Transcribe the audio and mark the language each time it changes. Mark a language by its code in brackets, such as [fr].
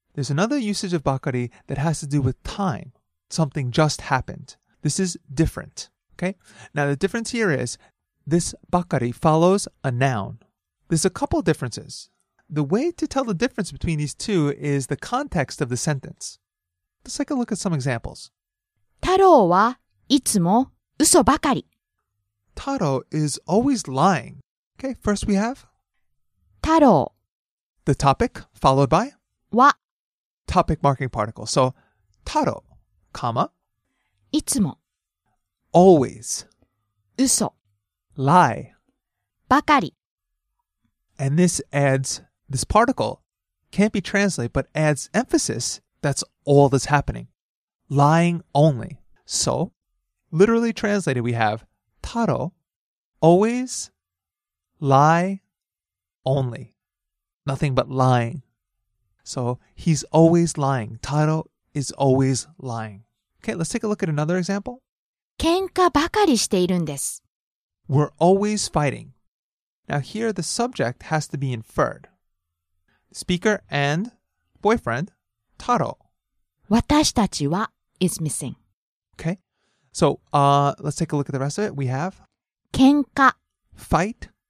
[en] There's another usage of bakari that has to do with time. Something just happened. This is different. Okay. Now, the difference here is this bakari follows a noun. There's a couple differences. The way to tell the difference between these two is the context of the sentence. Let's take a look at some examples. [ja] 太郎はいつも嘘ばかり。 [en] 太郎 is always lying. Okay, first we have? [ja] 太郎。 [en] The topic followed by? [ja] は。 [en] Topic marking particle. So, 太郎、カマ。 [ja] いつも。 [en] Always. [ja] 嘘。 [en] Lie. [ja] ばかり。 [en] And this adds, this particle can't be translated, but adds emphasis, that's all that's happening. Lying only. So, literally translated, we have Taro always lie only. Nothing but lying. So, he's always lying. Taro is always lying. Okay, let's take a look at another example. [ja] 喧嘩ばかりしているんです。 [en] We're always fighting. Now, here the subject has to be inferred. Speaker and boyfriend, Taro. [ja] 私たちは [en] is missing. Okay. So, let's take a look at the rest of it. We have [ja] 喧嘩 [en] fight